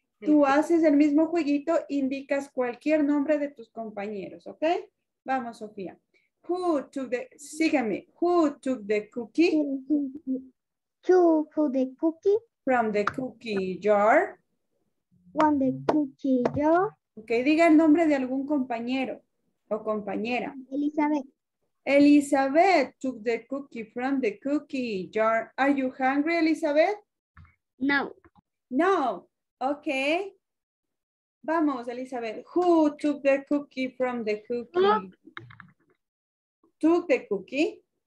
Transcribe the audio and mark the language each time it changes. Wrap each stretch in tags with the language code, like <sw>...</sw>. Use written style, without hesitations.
<es>Tú haces el mismo jueguito, indicas cualquier nombre de tus compañeros, ¿ok? Vamos, Sofía.</es> <en>Who took the,</en> <es>sígueme,</es> <en>who took the cookie? Who took the cookie? From the cookie jar. From the cookie jar.</en> <es>Ok, diga el nombre de algún compañero o compañera. Elizabeth.</es> <en>Elizabeth took the cookie from the cookie jar. Are you hungry, Elizabeth? No.</en> <es>No. Okay. Vamos, Elizabeth.</es> <en>Who took the cookie from the cookie? Took the cookie?</en>